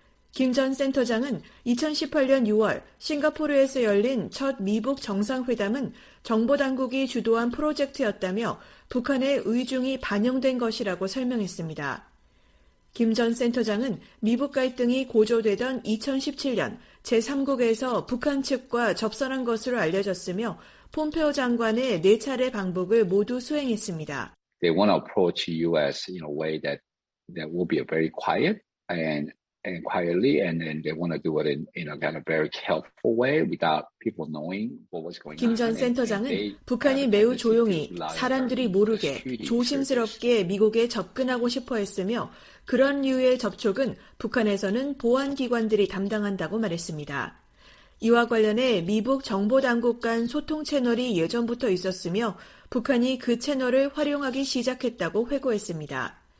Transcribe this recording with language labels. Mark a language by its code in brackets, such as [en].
[ko] 김 전 센터장은 2018년 6월 싱가포르에서 열린 첫 미북 정상회담은 정보당국이 주도한 프로젝트였다며 북한의 의중이 반영된 것이라고 설명했습니다. 김 전 센터장은 미북 갈등이 고조되던 2017년 제3국에서 북한 측과 접선한 것으로 알려졌으며 폼페오 장관의 네 차례 방북을 모두 수행했습니다. [en] They want to approach US in a way that that will be a very quiet and quietly and then they want to do it in a kind of very careful way without people knowing what was going on. [ko] 김 전 센터장은 북한이 매우 조용히 사람들이 모르게 조심스럽게 미국에 접근하고 싶어 했으며 그런 류의 접촉은 북한에서는 보안기관들이 담당한다고 말했습니다. 이와 관련해 미북 정보당국 간 소통 채널이 예전부터 있었으며 북한이 그 채널을 활용하기 시작했다고 회고했습니다.